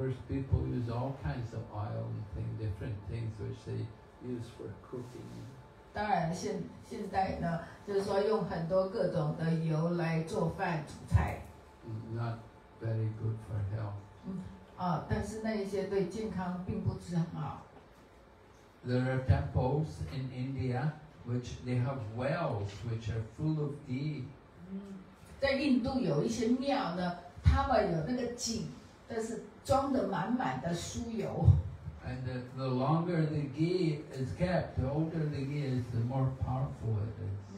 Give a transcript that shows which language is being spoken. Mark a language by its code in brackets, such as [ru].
[en] of course, people use all kinds of oil and different things which they use for cooking. [zh] 当然现在呢，就是说用很多各种的油来做饭煮菜。 [en] Not very good for health. [zh] 但是那一些对健康并不是很好。 [en] There are temples in India which they have wells which are full of ghee. [zh] 在印度有一些庙呢，他们有那个井，但是装得满满的酥油。 [en] And the longer the ghee is kept, the older the ghee is, the more powerful it is.